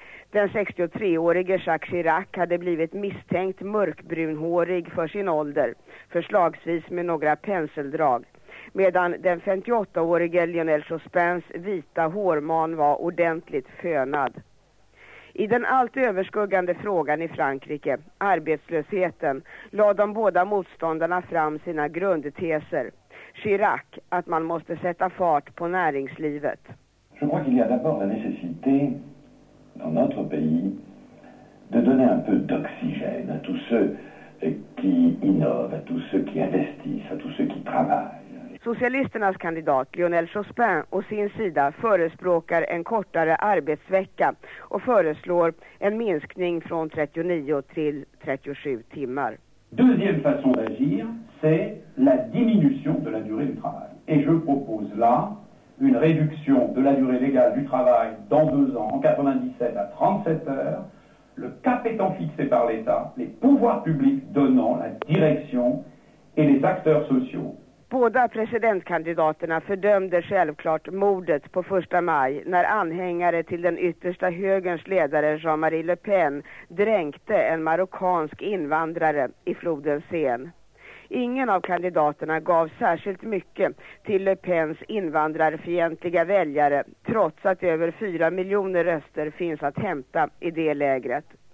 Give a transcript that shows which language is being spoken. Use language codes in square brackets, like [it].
[sv] Den 63-årige Jacques Chirac hade blivit misstänkt mörkbrunhårig för sin ålder, förslagsvis med några penseldrag, medan den 58-årige Lionel Jospins vita hårman var ordentligt fönad. I den allt överskuggande frågan i Frankrike, arbetslösheten, lade de båda motståndarna fram sina grundteser. Chirac, att man måste sätta fart på näringslivet. Jag tror att det finns först en nödvändighet [fr] dans notre pays, de donner un peu d'oxygène à tous ceux qui innovent, à tous ceux qui investissent, à tous ceux qui travaillent. [sv] Socialisternas kandidat Lionel Jospin å sin sida förespråkar en kortare arbetsvecka och föreslår en minskning från 39 till 37 timmar. [fr] Deuxième façon d'agir, c'est la diminution de la durée du travail. Et je propose là une réduction de la durée légale du travail dans deux ans, en 97 à 37 heures, le cap étant fixé par l'État, les pouvoirs publics donnant la direction et les acteurs sociaux. [sv] Båda presidentkandidaterna fördömde självklart mordet på 1 maj när anhängare till den yttersta högerns ledare Jean-Marie Le Pen dränkte en marokkansk invandrare i floden Seine. Ingen av kandidaterna gav särskilt mycket till Le Pens invandrarfientliga väljare, trots att över 4 miljoner röster finns att hämta i det lägret.